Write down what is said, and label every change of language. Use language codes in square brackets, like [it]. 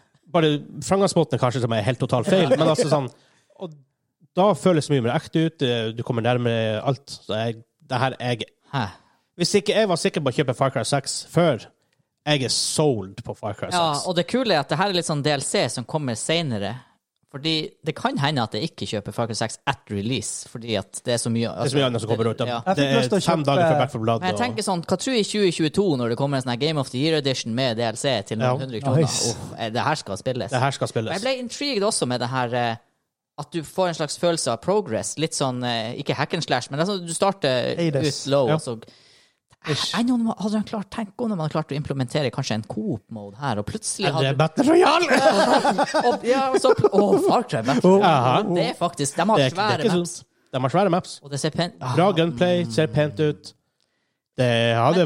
[sv] Bara framgångsmåten kanske som är helt totalt fel, men alltså sån och då känns det mer äkta ut, du kommer närmare allt så jag det här är visst inte jag var säker på att köpa Far Cry 6 för jag är sold på Far Cry 6. Ja, och det coola är att det här är liksom DLC som kommer senare. [no] Fordi det kan hende at jeg ikke kjøper Far Cry 6 at release, fordi at det er så mye... Det er så mye annet som kommer ut. Ja. Det er 5 dager for Back 4 Blood. Men jeg tenker sånn, hva tror jeg i 2022 når det kommer en sånn Game of the Year edition med DLC til 100 kroner? Nice. Det her skal spilles. Det her skal spilles. Men jeg ble intrigued også med det her, at du får en slags følelse av progress, litt sånn, ikke [en] hack and slash, [no] men det er sånn at du starter ut low, og så... [sv] Nej, nu har du klart tänk om man har klart att implementera kanske en coop mode här och plötsligt hade Battle Royale. Far Cry Battle Royale. Det är faktiskt de har svåra maps. De har svåra maps. Och det ser pent. Bra gunplay, ser pent ut. Det hade